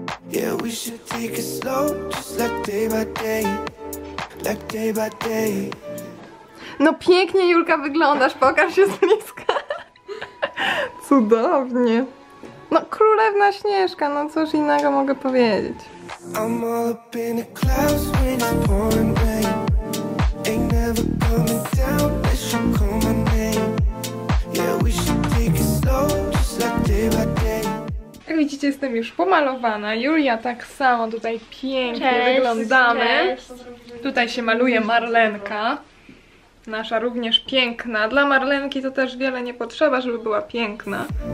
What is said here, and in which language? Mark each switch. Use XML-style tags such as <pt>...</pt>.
<en>Yeah, we should take it slow, just like day by day, like day by day.</en> <pl>No pięknie, Julka, wyglądasz, pokaż się z bliska. Cudownie. No, królewna Śnieżka, no cóż innego mogę powiedzieć.</pl> <en>I'm all up in the clouds when it's pouring rain. Ain't never coming down, let's just call my name. Yeah, we should take it slow, just like day by day.</en> <pl>Jak widzicie, jestem już pomalowana. Julia tak samo, tutaj pięknie cześć, wyglądamy. Cześć. Tutaj się maluje Marlenka. Nasza również piękna. Dla Marlenki to też wiele nie potrzeba, żeby była piękna.</pl>